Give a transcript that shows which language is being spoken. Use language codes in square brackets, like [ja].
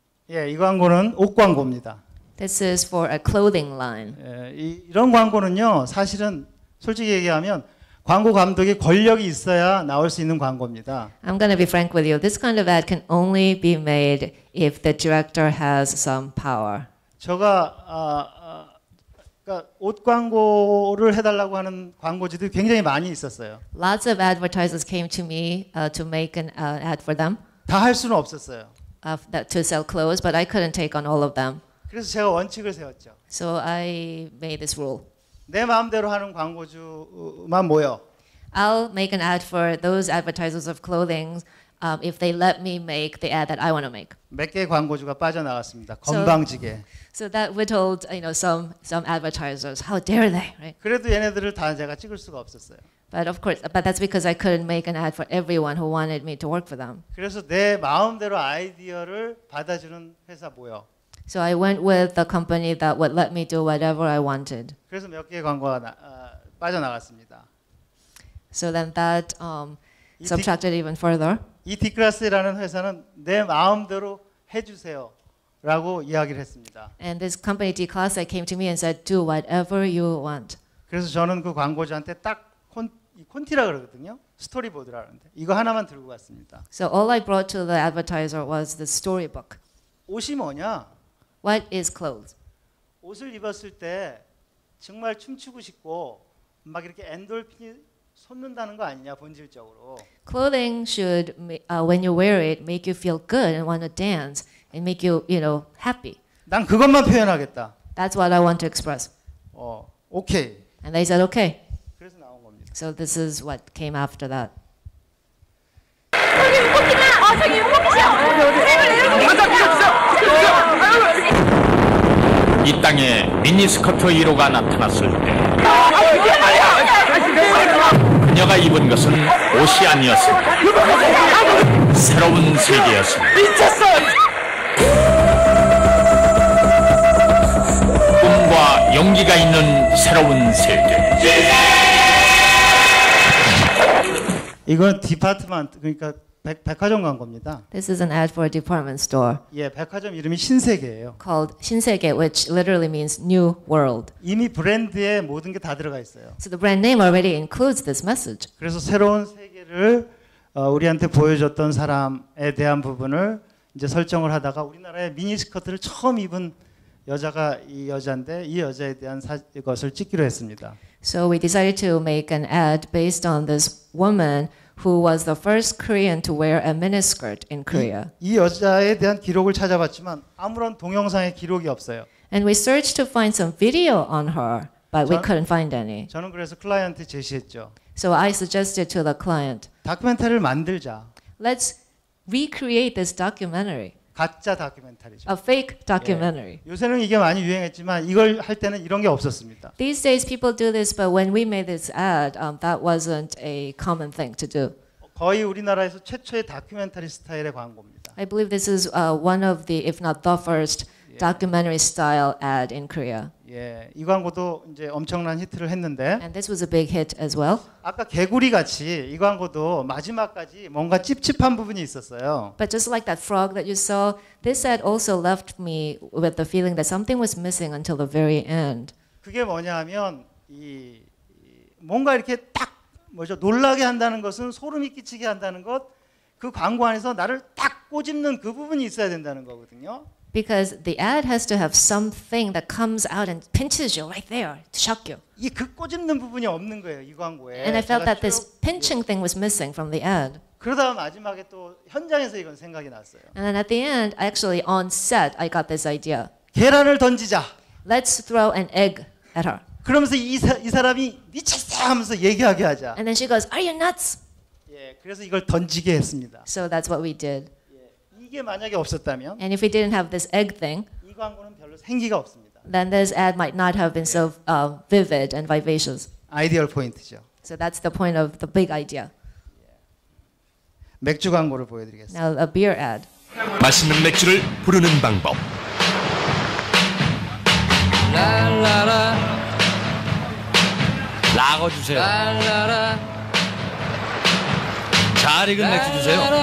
[ko] 예, 이 광고는 옷 광고입니다. [en] This is for a clothing line. [ko] 예, 이런 광고는요, 사실은 솔직히 얘기하면 광고 감독의 권력이 있어야 나올 수 있는 광고입니다. [en] I'm going to be frank with you. This kind of ad can only be made if the director has some power. [ko] 제가 그러니까 옷 광고를 해달라고 하는 광고지들이 굉장히 많이 있었어요. [en] Lots of advertisers came to me to make an ad for them. [ko] 다 할 수는 없었어요. [en] That to sell clothes, but I couldn't take on all of them. [ko] 그래서 제가 원칙을 세웠죠. [en] So I made this rule. [ko] 내 마음대로 하는 광고주만 모여. [en] I'll make an ad for those advertisers of clothing if they let me make the ad that I want to make. [ko] 몇 개 광고주가 빠져나갔습니다. 건방지게. [en] So that whittled, you know, some advertisers. How dare they, right? [ko] 그래도 얘네들을 다 제가 찍을 수가 없었어요. [en] But of course, but that's because I couldn't make an ad for everyone who wanted me to work for them. [ko] 그래서 내 마음대로 아이디어를 받아주는 회사 뭐요? [en] So I went with the company that would let me do whatever I wanted. [ko] 그래서 몇 개의 광고가 빠져나갔습니다. [en] So then that subtracted even further. [ko] 이 디크라스라는 회사는 내 마음대로 해주세요. 라고 이야기를 했습니다. [en] And this company D-Class came to me and said, "Do whatever you want." [ko] 그래서 저는 그 광고주한테 딱 콘티라 그러거든요. 스토리보드라는데 이거 하나만 들고 갔습니다. [en] So all I brought to the advertiser was the storybook. [ko] 옷이 뭐냐? [en] What is clothes? [ko] 옷을 입었을 때 정말 춤추고 싶고 막 이렇게 엔돌핀이 솟는다는 거 아니냐 본질적으로. [en] Clothing should, when you wear it, make you feel good and want to dance. And make you, you know, happy. [ko] 난 그것만 표현하겠다. [en] That's what I want to express. 어, okay. And they said okay. [ko] 그래서 나온 겁니다. [en] So this is what came after that. [ko] 저기 웃기다. 아, 저기 웃기셔. 이 땅에 미니스커트 1호가 나타났을 때. 그녀가 입은 것은 옷이 아니었습니다. 새로운 세계였습니다. 미쳤어. 꿈과 용기가 있는 새로운 세계. 이건 디파트먼트 그러니까 백화점 광고입니다. [en] This is an ad for a department store. [ko] 예, 백화점 이름이 신세계예요. [en] Called 신세계, which literally means new world. [ko] 이미 브랜드에 모든 게 다 들어가 있어요. [en] So the brand name already includes this message. [ko] 그래서 새로운 세계를 우리한테 보여줬던 사람에 대한 부분을 이제 설정을 하다가 우리나라에 미니스커트를 처음 입은 여자가 이 여자인데 이 여자에 대한 것을 찍기로 했습니다. [en] So we decided to make an ad based on this woman who was the first Korean to wear a miniskirt in Korea. [ko] 이 여자에 대한 기록을 찾아봤지만 아무런 동영상의 기록이 없어요. [en] And we searched to find some video on her, but we couldn't find any. [ko] 저는 그래서 클라이언트에 제시했죠. [en] So I suggested to the client. [ko] 다큐멘터리를 만들자. [en] Let's recreate this documentary. [ko] 가짜 다큐멘터리죠. [en] A fake documentary. [ko] 예. 요새는 이게 많이 유행했지만 이걸 할 때는 이런 게 없었습니다. [en] These days people do this, but when we made this ad, that wasn't a common thing to do. [ko] 거의 우리나라에서 최초의 다큐멘터리 스타일의 광고입니다. [en] I believe this is one of the, if not the first, 예. documentary style ad in Korea. [ko] 예, 이 광고도 이제 엄청난 히트를 했는데. [en] And this was a big hit as well. [ko] 아까 개구리 같이 이 광고도 마지막까지 뭔가 찝찝한 부분이 있었어요. [en] But just like that frog that you saw, this ad also left me with the feeling that something was missing until the very end. [ko] 그게 뭐냐면 이 뭔가 이렇게 딱 뭐죠 놀라게 한다는 것은 소름이 끼치게 한다는 것 그 광고 안에서 나를 딱 꼬집는 그 부분이 있어야 된다는 거거든요. [en] Because the ad has to have something that comes out and pinches you right there to shock you. [ko] 이 그 꼬집는 부분이 없는 거예요, 이 광고에. [en] And I felt that this pinching thing was missing from the ad. [ko] 그러다 마지막에 또 현장에서 이건 생각이 났어요. [en] And then at the end, actually on set, I got this idea. [ko] 계란을 던지자. [en] Let's throw an egg at her. [ko] 그러면서 이 사람이 미쳤어 하면서 얘기하게 하자. [en] And then she goes, "Are you nuts?" [ko] 예, 그래서 이걸 던지게 했습니다. [en] So that's what we did. [ko] 이게 만약에 없었다면 [en] And if we didn't have this egg thing, [ko] 이 광고는 별로 생기가 없습니다. [en] Then this ad might not have been so vivid and vivacious. [ko] 아이디얼 포인트죠. [en] So that's the point of the big idea. [ko] 맥주 광고를 보여드리겠습니다. [en] Now a beer ad. [ko] 맛있는 맥주를 부르는 방법. 랄라라 라거 주세요. 랄라라 잘 익은 맥주 주세요.